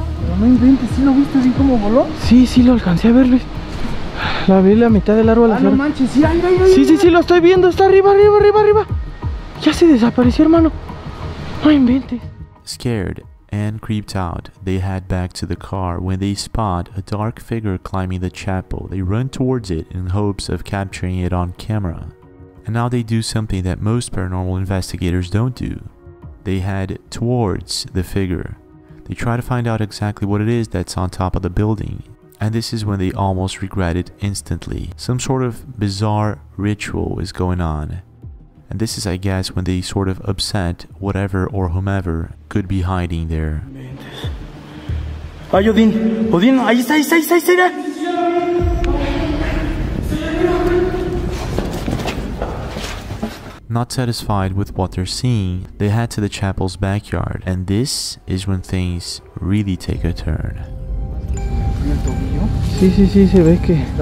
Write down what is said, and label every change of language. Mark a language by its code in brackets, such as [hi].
[es] Pero no inventes, ¿sí lo viste así como voló? Sí, sí, lo alcancé a ver, Luis. La vi la mitad del árbol. Ah, no manches, sí, ahí, ahí, sí, sí, sí, lo estoy viendo, está arriba, arriba, arriba, arriba. Ya se desapareció, hermano. No inventes. [en] Scared and creeped out, they head back to the car. When they spot a dark figure climbing the chapel, they run towards it in hopes of capturing it on camera. And now they do something that most paranormal investigators don't do. They head towards the figure. They try to find out exactly what it is that's on top of the building. And this is when they almost regret it instantly. Some sort of bizarre ritual is going on. And this is, I guess, when they sort of upset whatever or whomever could be hiding there. [es] Ay, Odin! Odin, ahí está, ahí está, ahí está, ahí está! [en] Not satisfied with what they're seeing, they head to the chapel's backyard, and this is when things really take a turn. [es] Sí, sí, sí, se ve que...